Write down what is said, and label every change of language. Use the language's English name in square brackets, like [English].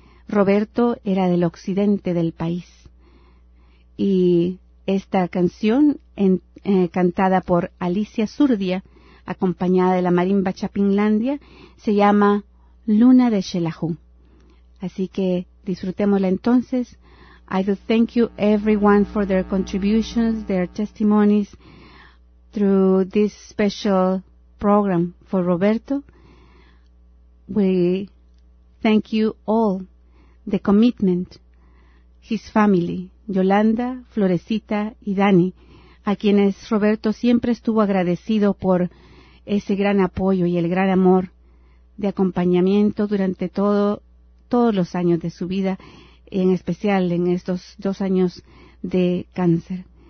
[Spanish] Roberto era del occidente del país. Y esta canción, cantada por Alicia Zurdia, acompañada de la marimba Chapinlandia, se llama Luna de Xelajú. Así que disfrutémosla entonces. [English] I do thank you everyone for their contributions, their testimonies through this special program for Roberto. We thank you all, the commitment, his family, [Spanish] Yolanda, Florecita y Dani, a quienes Roberto siempre estuvo agradecido por ese gran apoyo y el gran amor de acompañamiento durante todos los años de su vida, en especial en estos 2 años de cáncer.